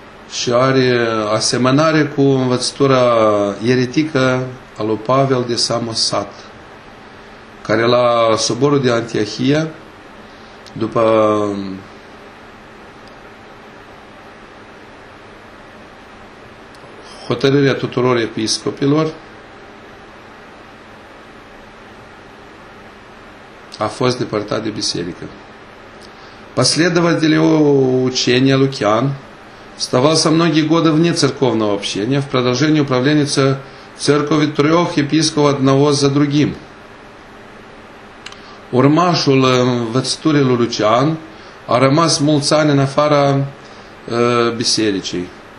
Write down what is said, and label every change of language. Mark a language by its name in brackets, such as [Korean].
[Romanian] Și are asemănare cu învățătura eretică a lui Pavel de Samosat, care la soborul de Antiohia, după hotărârea tuturor episcopilor, a fost depărtat de biserică. [Russian] Последователи учения Лукиан оставался многие годы вне церковного общения в продолжении управления церкви трех епископов одного за другим. [Romanian] Urmașul învățăturii lui Lucian a rămas mulți ani în afara bisericii.